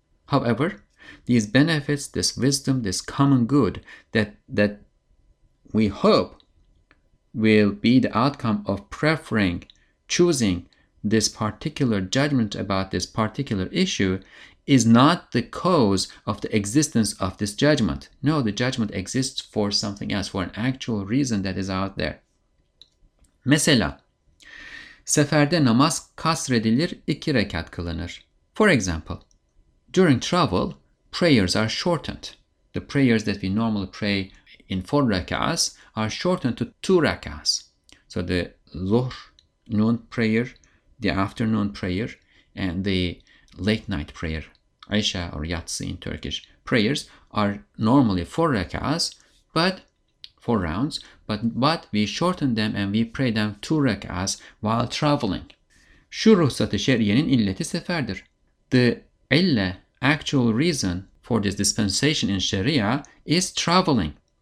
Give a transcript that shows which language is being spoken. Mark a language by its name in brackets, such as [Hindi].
[English] However, these benefits, this wisdom, this common good that we hope will be the outcome of preferring, choosing this particular judgment about this particular issue, is not the cause of the existence of this judgment. No, the judgment exists for something else, for an actual reason that is out there. [Turkish] Mesela, seferde namaz kasredilir, iki rekat kılınır. [English] For example, during travel, prayers are shortened. The prayers that we normally pray in 4 rak'as are shortened to 2 rak'as. So the Zuhr, noon prayer, the afternoon prayer, and the late night prayer, Aisha or Yatsı in Turkish, prayers are normally 4 rak'as, but 4 rounds, but we shorten them and we pray them 2 rak'as while traveling. [Turkish] Şu ruhsat-ı şer'iyenin illeti seferdir. [English] The ille, actual reason for this dispensation in Sharia, is traveling.